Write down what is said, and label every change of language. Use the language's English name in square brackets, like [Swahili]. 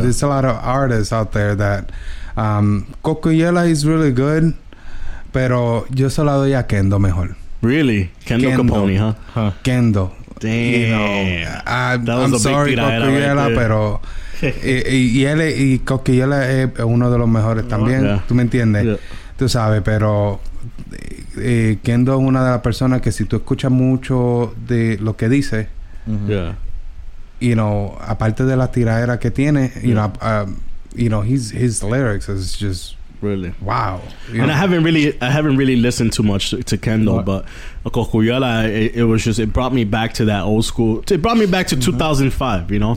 [English] There's a lot of artists out there that Coco Yela is really good, [Spanish] pero yo solo doy a Kendo mejor. [English] Really? Kendo Capone, huh? Kendo. Damn. You know, I'm sorry, [Spanish] Coquillera, pero y Coquillera es uno de los mejores también. Yeah. ¿Tú me entiendes? Yeah. Tú sabes, pero Kendo es una de las personas que si tú escuchas mucho de lo que dice, [English] yeah, you know, [Spanish] aparte de la tiraera que tiene, [English] you know, his lyrics is just really wow. And I haven't really listened too much to Kendo, but Coquillera, it brought me back to that old school. It brought me back to 2005, you know?